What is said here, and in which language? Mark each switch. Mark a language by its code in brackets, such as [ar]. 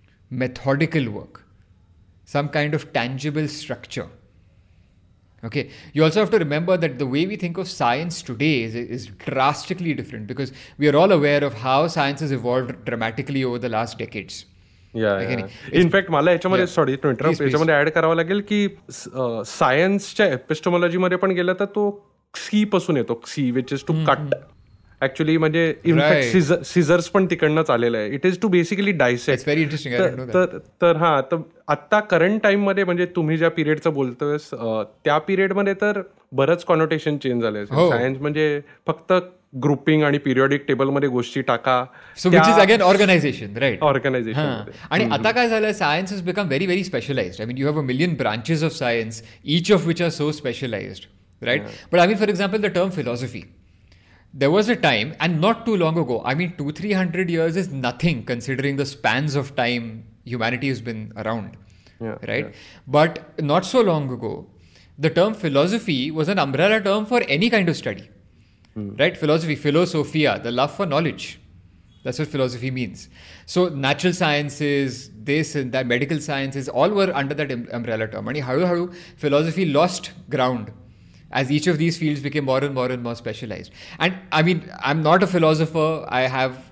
[en] Methodical work. Some kind of tangible structure. Okay. You also have to remember that the way we think of science today is drastically different, because we are all aware of how science has evolved dramatically over the last decades. [mr] In fact मला याच्यामध्ये [en] sorry to interrupt, [mr] याच्यामध्ये add करावं लागेल की सायन्सच्या एपिस्टोमॉलॉजी मध्ये पण गेलं तर तो क्सी पासून येतो, [en] क्सी which is to cut actually, [mr] म्हणजे इनफॅक्ट सीझर्स पण तिकडनंच आलेलं आहे, [en] It is to basically dissect. Very interesting. [mr] तर हा तर आत्ता करंट टाइम मध्ये म्हणजे तुम्ही ज्या पिरियडचं बोलतोय त्या पिरियड मध्ये तर बरंच कॉनोटेशन चेंज झाले, सायन्स म्हणजे फक्त ग्रुपिंग आणि पिरियॉडिक टेबल मध्ये गोष्टी टाका, [en] So which is again organisation right, organisation. [mr] आणि आता काय झालं, [en] Science has become very very specialised, I mean you have a million branches of science, each of which are so specialised right. But I mean for example the term philosophy, there was a time and not too long ago, I mean 200-300 years is nothing considering the spans of time humanity has been around right. But not so long ago the term philosophy was an umbrella term for any kind of study. Right, philosophy, philosophia, the love for knowledge, that's what philosophy means. So natural sciences, this and that, medical sciences, all were under that umbrella term. And [mr] haru haru [en] philosophy lost ground as each of these fields became more and more and more specialized. And I mean, I'm not a philosopher, I have